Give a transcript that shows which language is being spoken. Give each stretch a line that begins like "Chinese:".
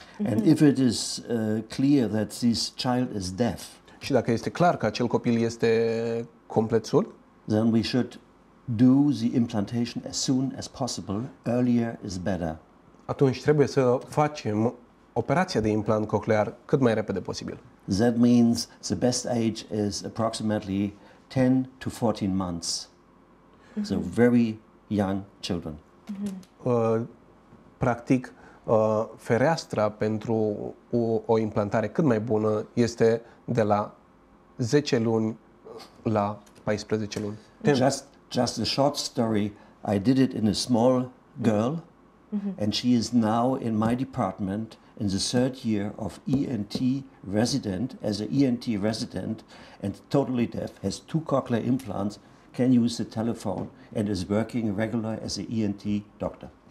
English: And if it is clear that this child is deaf.
Romanian: Și dacă este clar că acel copil este complet surd,
English: then we should do the implantation as soon as possible. Earlier is better.
Romanian: Atunci trebuie să facem operația de implant coclear cât mai repede posibil.
English: That means the best age is approximately 10 to 14 months. So very young children.
Romanian: Practic, fereastra pentru o implantare cât mai bună este de la 10 luni la 14 luni.
English: Just a short story. I did it in a small girl and she is now in my department in the third year of ENT resident, as an ENT resident and totally deaf, has two cochlear implants, can use the telephone and is working regular as an ENT doctor.